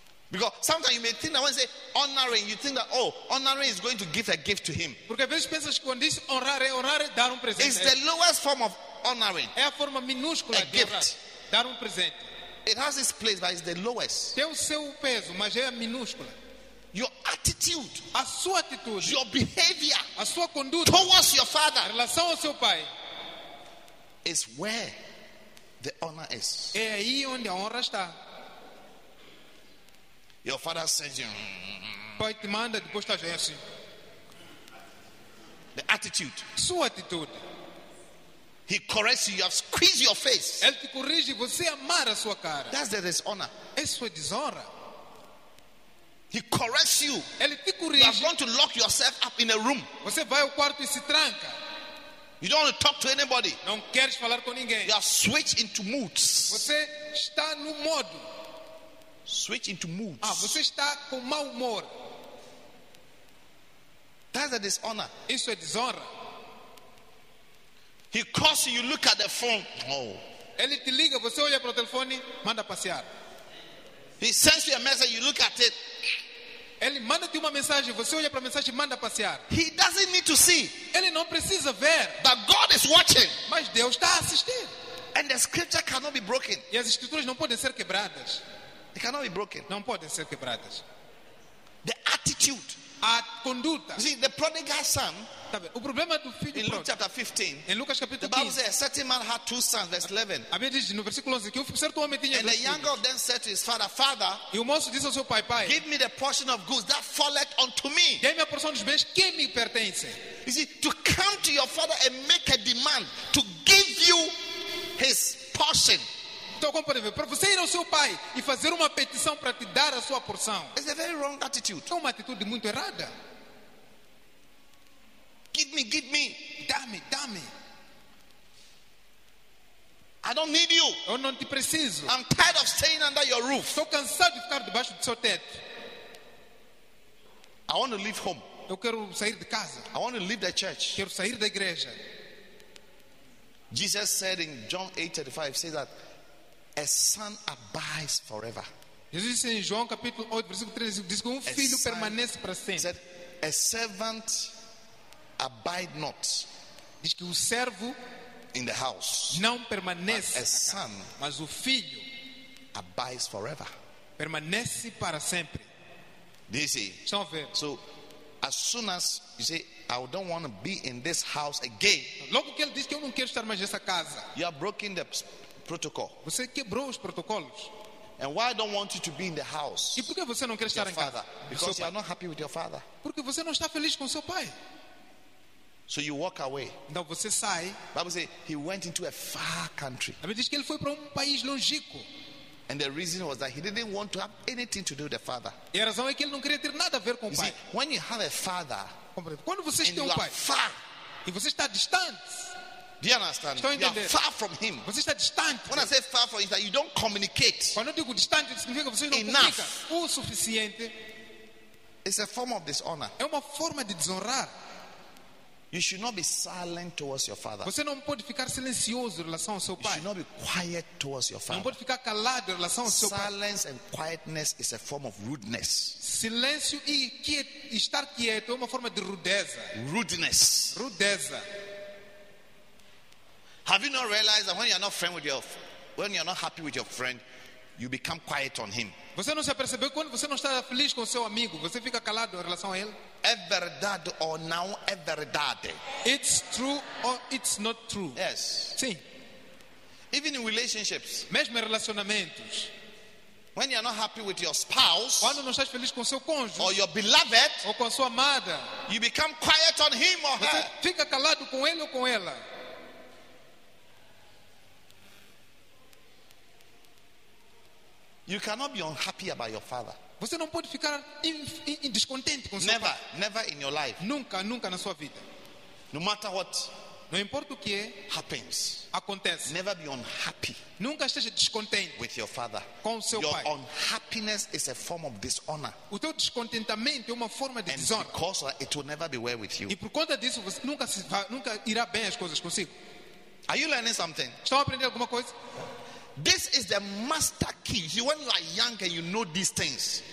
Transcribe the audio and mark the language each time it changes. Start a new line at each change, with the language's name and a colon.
English: Because sometimes you may think that when you say honoring, you think that oh, honoring is going to give a gift to him.
Portuguese: Porque às vezes pensas que quando diz honrar é dar presente.
English: It's the lowest form of honoring.
Portuguese: É a forma minúscula a de
English: gift.
Portuguese: Dar presente.
English: It has its place, but it's the lowest.
Portuguese: Tem o seu peso, mas é a minúscula.
English: Your attitude,
Portuguese: a sua atitude,
English: your behavior,
Portuguese: a sua conduta
English: towards your father,
Portuguese: a relação ao seu pai,
English: is where the honor is.
Portuguese: É aí onde a honra está.
English: Your father sends you.
Portuguese: Pai te manda, depois estás assim.
English: The attitude.
Portuguese: Sua atitude.
English: He corrects you, you have squeezed your face.
Portuguese: Ele te corrige, você amarra a sua cara.
English: That's the dishonor.
Portuguese: Isso é desonra.
English: He corrects you.
Portuguese: Ele te corrige.
English: You are going to lock yourself up in a room.
Portuguese: Você vai ao quarto e se tranca.
English: You don't want to talk to anybody.
Portuguese: Não queres falar com ninguém.
English: You are switched into moods.
Portuguese: Você está no modo.
English: Switch into moods.
Portuguese: Ah, você está com mau humor.
English: That's a dishonor.
Portuguese: Isso é desonra.
English: He calls you, you look at the phone. Oh.
Portuguese: Ele te liga, você olha para o telefone, manda passear.
English: He sends you a message, you look at it.
Portuguese: Ele manda-te uma mensagem, você olha para a mensagem, manda passear.
English: He doesn't need to see.
Portuguese: Ele não precisa ver.
English: But God is watching.
Portuguese: Mas Deus está a assistir.
English: And the scripture cannot be broken.
Portuguese: E as escrituras não podem ser quebradas.
English: They cannot be broken.
Portuguese: Não podem ser quebradas.
English: The attitude.
Portuguese: A conduta.
English: You see, the prodigal son.
Portuguese: O problema do filho
English: in Luke chapter 15,
Portuguese: em Lucas capítulo
English: 15, the Bible says a certain man had two sons, verse 11.
Portuguese: A Bíblia diz no versículo 11 que um certo homem tinha dois filhos.
English: And the younger of them said to his father, Father,
Portuguese: e o moço disse ao seu pai, pai,
English: give me the portion of goods that falleth unto me.
Portuguese: Dê-me a porção dos bens que me pertence.
English: You see, to come to your father and make a demand to give you his portion.
Portuguese: Então, como pode ver, para você ir ao seu pai e fazer uma petição para te dar a sua porção.
English: It's a very wrong attitude.
Portuguese: É uma atitude muito errada.
English: Give me,
Portuguese: dá-me, dá-me.
English: I don't need you.
Portuguese: Eu não te preciso.
English: I'm tired of staying under your roof.
Portuguese: Estou cansado de ficar debaixo do seu teto.
English: I want to leave home.
Portuguese: Eu quero sair de casa.
English: I want to leave the church.
Portuguese: Quero sair da igreja.
English: Jesus said in John 8:35, says that a son abides forever.
Portuguese: Jesus disse em João capítulo 8, versículo 35, diz que filho permanece para sempre.
English: Said a servant abide not.
Portuguese: Diz que o servo
English: in the house
Portuguese: não permanece,
English: a son,
Portuguese: mas o filho
English: abides forever.
Portuguese: Permanece para sempre. Estão a ver?
English: So as soon as you say I don't want to be in this house again.
Portuguese: Logo que ele diz que eu não quero estar mais nessa casa.
English: You have broken the protocol.
Portuguese: Você quebrou os protocolos.
English: And why I don't want you to be in the house?
Portuguese: E por que você não quer estar em casa?
English: Because you are not happy with your father.
Portuguese: Porque você não está feliz com seu pai.
English: So you walk away.
Portuguese: Então você sai.
English: Bible says he went into a far country.
Portuguese: A Bíblia diz que ele foi para país longínquo.
English: And the reason was that he didn't want to have anything to do with the father.
Portuguese: E a razão é que ele não queria ter nada a ver com o pai.
English: See, when you have a father,
Portuguese: quando você tem um pai,
English: far,
Portuguese: e você está distante.
English: Do you understand? You are far from him.
Portuguese: Você está distante.
English: When I say far from him, that you don't communicate.
Portuguese: Quando eu digo distante, significa que você não
English: enough.
Portuguese: Comunica o suficiente.
English: It's a form of dishonor.
Portuguese: É uma forma de desonrar.
English: You should not be silent towards your father.
Portuguese: Você não pode ficar silencioso em relação ao seu pai.
English: You should not be quiet towards your father.
Portuguese: Não pode ficar calado em relação ao seu pai.
English: Silence and quietness is a form of rudeness.
Portuguese: Silêncio e estar quieto é uma forma de rudeza.
English: Rudeness.
Portuguese: Rudeza.
English: Have you not realized that when you are not friend with your, when you are not happy with your friend, you become quiet on him?
Portuguese: Você não se apercebeu quando você não está feliz com seu amigo, você fica calado em relação a ele? É verdade ou não é verdade?
English: It's true or it's not true? Yes.
Portuguese: Sim.
English: Even in relationships.
Portuguese: Mesmo em relacionamentos.
English: When you are not happy with your spouse,
Portuguese: quando não estás feliz com seu cônjuge,
English: or your beloved,
Portuguese: ou com a sua amada,
English: you become quiet on him or
Portuguese: você
English: her.
Portuguese: Você fica calado com ele ou com ela?
English: You cannot be unhappy about your father.
Portuguese: Você não pode ficar descontente com seu
English: never,
Portuguese: pai.
English: Never, never in your life.
Portuguese: Nunca, nunca na sua vida.
English: No matter what.
Portuguese: Não importa o que
English: happens.
Portuguese: Acontece.
English: Never be unhappy.
Portuguese: Nunca esteja descontente
English: with your father.
Portuguese: Com seu
English: your
Portuguese: pai.
English: Your unhappiness is a form of dishonor.
Portuguese: O teu descontentamento é uma forma de
English: and
Portuguese: desonra.
English: And because of that, it will never be well with you.
Portuguese: E por conta disso, você nunca se vai, nunca irá bem as coisas consigo.
English: Are you learning something?
Portuguese: Estão aprendendo alguma coisa?
English: This is the master key. You when you are young and you know these things.